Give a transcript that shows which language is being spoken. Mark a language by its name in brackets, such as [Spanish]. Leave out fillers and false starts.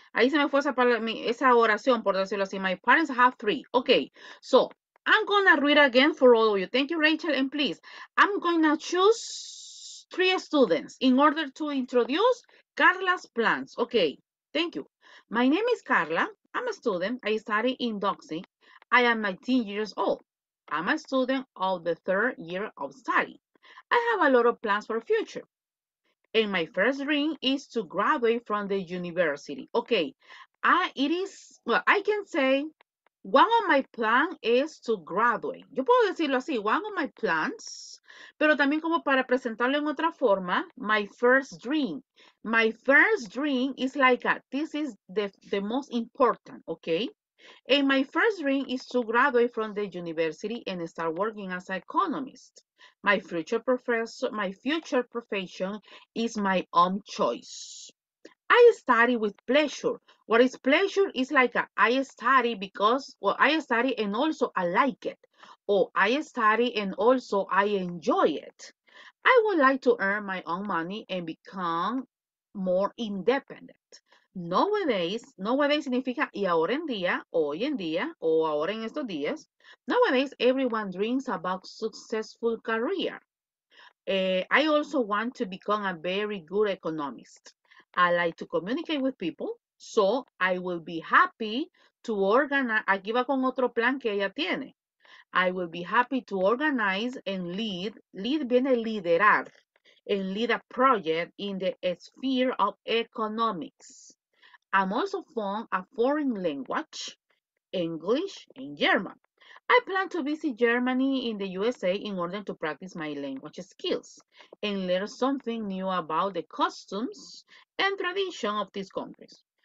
[Spanish] Ahí se me fue esa oración, por decirlo así. [English] My parents have three. Okay, so I'm going to read again for all of you. Thank you, Rachel. And please, I'm going to choose three students in order to introduce Carla's plans. Okay, thank you. My name is Carla. I'm a student. I study in Doxy. I am 19 years old. I'm a student of the third year of study. I have a lot of plans for the future. And my first dream is to graduate from the university. Okay, I can say one of my plans is to graduate. [Spanish] Yo puedo decirlo así, [English] one of my plans, [Spanish] pero también como para presentarlo en otra forma, [English] my first dream. My first dream is like this is the most important, okay? And my first dream is to graduate from the university and start working as an economist. My future profession is my own choice. I study with pleasure. What is pleasure is like I study and also I like it. Or I study and also I enjoy it. I would like to earn my own money and become more independent. [Spanish] Nowadays significa y ahora en día, hoy en día, o ahora en estos días. [English] Nowadays, everyone dreams about successful career. I also want to become a very good economist. I like to communicate with people, so I will be happy to organize. [Spanish] Aquí va con otro plan que ella tiene. [English] I will be happy to organize and lead. Lead [Spanish] viene liderar. [English] And lead a project in the sphere of economics. I'm also fond of foreign language, English and German. I plan to visit Germany in the USA in order to practice my language skills and learn something new about the customs and tradition of these countries.